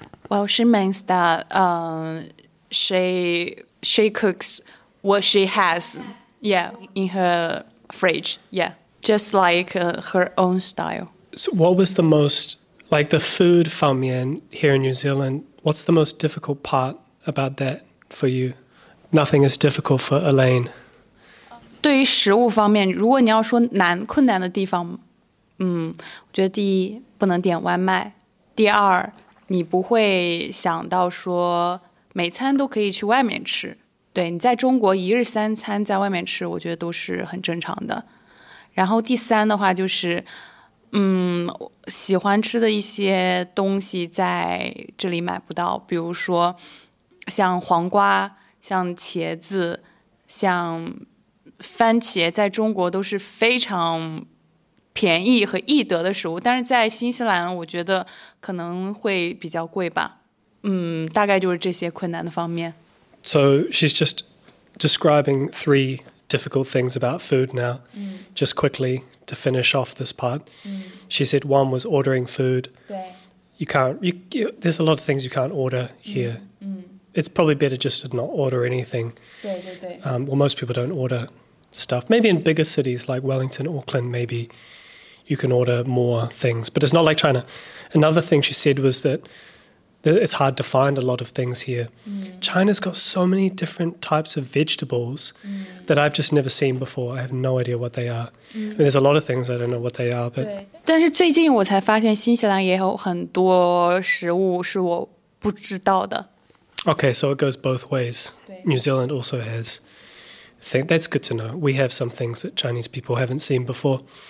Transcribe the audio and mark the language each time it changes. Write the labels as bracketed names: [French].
[English] Well, she means that she cooks what she has in her fridge. Yeah, just like her own style. So what was the most... Like the food famian here in New Zealand, what's the most difficult part about that for you? Nothing is difficult for Elaine. [Chinese] 对于食物方面，如果你要说困难的地方，我觉得第一不能点外卖，第二你不会想到说每餐都可以去外面吃。对，你在中国一日三餐在外面吃，我觉得都是很正常的。然后第三的话就是。喜欢吃的一些东西在这里买不到，比如说像黄瓜、像茄子、像番茄，在中国都是非常便宜和易得的食物，但是在新西兰我觉得可能会比较贵吧。大概就是这些困难的方面。 [English] So she's just describing three difficult things about food now. Just quickly to finish off this part. She said one was ordering food. There's a lot of things you can't order here. It's probably better just to not order anything. Most people don't order stuff. Maybe in bigger cities like Wellington, Auckland, maybe you can order more things. But it's not like China. Another thing she said was that it's hard to find a lot of things here. Mm. China's got so many different types of vegetables that I've just never seen before. I have no idea what they are. Mm. I mean, there's a lot of things I don't know what they are. But [Chinese] 但是最近我才发现新西兰也有很多食物是我不知道的。 [English] Okay, so it goes both ways. New Zealand also has... That's good to know. We have some things that Chinese people haven't seen before.